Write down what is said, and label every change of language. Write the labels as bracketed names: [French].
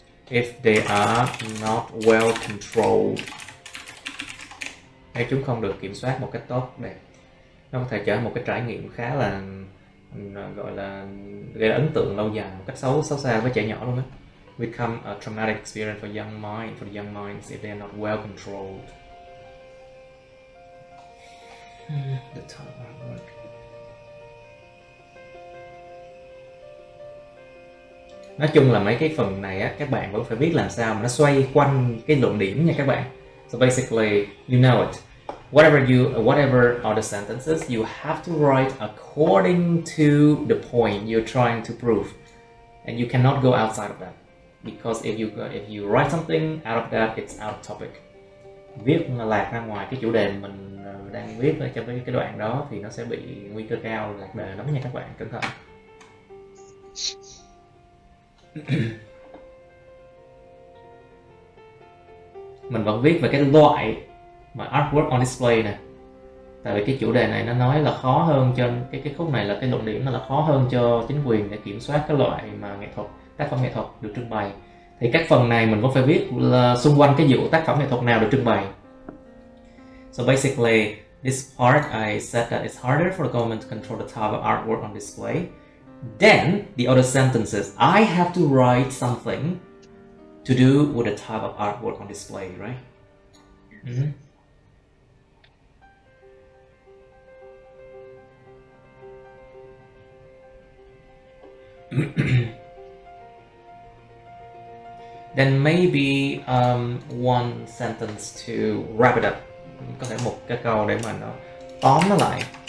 [English] If they are not well controlled, [Vietnamese] hay chúng không được kiểm soát một cách tốt, này nó có thể trở thành một cái trải nghiệm khá là gọi là gây ấn tượng lâu dài một cách xấu xấu xa với trẻ nhỏ luôn á. [English] Become a traumatic experience for young mind, for the young minds if they are not well controlled. The time I work. [Vietnamese] Nói chung là mấy cái phần này á, các bạn vẫn phải biết làm sao mà nó xoay quanh cái luận điểm nha các bạn. [English] So basically, you know it. Whatever are the sentences, you have to write according to the point you're trying to prove, and you cannot go outside of that, because if you write something out of that, it's out of topic. [Vietnamese] Viết lạc ra ngoài cái chủ đề mình đang viết cho cái đoạn đó thì nó sẽ bị nguy cơ cao lạc đề lắm nha các bạn, cẩn thận. [English] Okay. [Vietnamese] mình vẫn viết về cái loại mà [English] artwork on display [Vietnamese] nè. Tại vì cái chủ đề này nó nói là khó hơn cho cái khúc này, là cái luận điểm là khó hơn cho chính quyền để kiểm soát cái loại mà nghệ thuật, tác phẩm nghệ thuật được trưng bày. Thì các phần này mình vẫn phải viết là xung quanh cái vụ tác phẩm nghệ thuật nào được trưng bày. [English] So basically, this part I said that it's harder for the government to control the type of artwork on display. Then, the other sentences, I have to write something to do with the type of artwork on display, right? Mm-hmm. Then maybe one sentence to wrap it up. [Vietnamese] Có thể một cái câu để mà nó tóm nó lại.